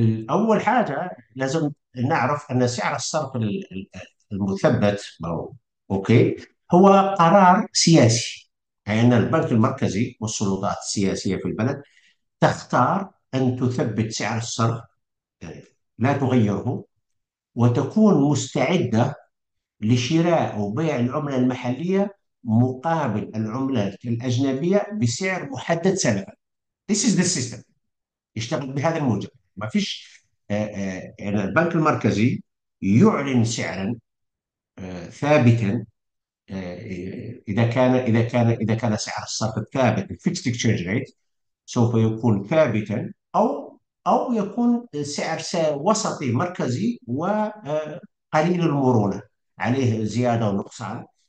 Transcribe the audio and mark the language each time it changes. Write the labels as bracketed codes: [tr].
[ar] أول حاجة لازم نعرف أن سعر الصرف المثبت أوكي هو قرار سياسي، أي أن البنك المركزي والسلطات السياسية في البلد تختار أن تثبت سعر الصرف لا تغيره، وتكون مستعدة لشراء وبيع العملة المحلية مقابل العملات الأجنبية بسعر محدد سابقا. [en] This is the system، [ar] يشتغل بهذا الموجب. ما فيش يعني البنك المركزي يعلن سعرا ثابتا، إذا كان سعر الصرف الثابت [en] fixed exchange rate [ar] سوف يكون ثابتا، أو يكون سعر وسطي مركزي وقليل المرونة، عليه زيادة ونقصان.